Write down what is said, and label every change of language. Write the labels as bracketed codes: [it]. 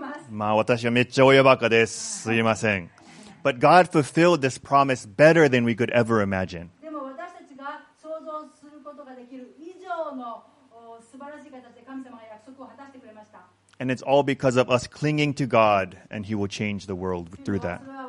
[ja] まあ私はめっちゃ親バカです。すいません。 [en] But God fulfilled this promise better than we could ever imagine. [ja] でも私たちが想像することができる以上の素晴らしい形で神様が約束を果たしてくれました。 [en] And it's all because of us clinging to God, and He will change the world through that.